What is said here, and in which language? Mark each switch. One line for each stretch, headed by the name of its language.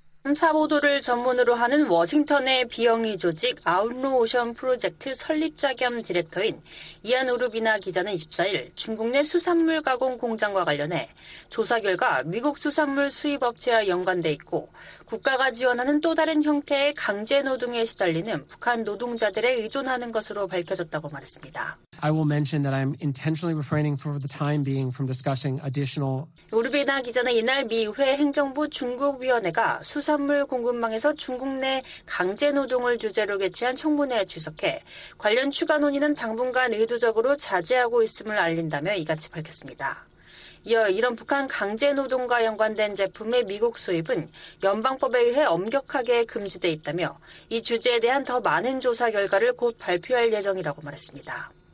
Korean: 탐사 보도를 전문으로 하는 워싱턴의 비영리 조직 아웃노우션 프로젝트 설립자 겸 디렉터인 이안 우르비나 기자는 24일 중국 내 수산물 가공 공장과 관련해 조사 결과 미국 수산물 수입 업체와 연관돼 있고 국가가 지원하는 또 다른 형태의 강제 노동에 시달리는 북한 노동자들에 의존하는 것으로 밝혀졌다고 말했습니다.
English: I will mention that I'm intentionally refraining for the time being from discussing additional.
Korean: 우르비나 기자는 이날 미 의회 행정부 중국위원회가 수산물 공급망에서 중국 내 강제 노동을 주제로 개최한 청문회에 출석해 관련 추가 논의는 당분간 의도적으로 자제하고 있음을 알린다며 이같이 밝혔습니다. 이어 이런 북한 강제 노동과 연관된 제품의 미국 수입은 연방법에 의해 엄격하게 금지돼 있다며 이 주제에 대한 더 많은 조사 결과를 곧 발표할 예정이라고 말했습니다.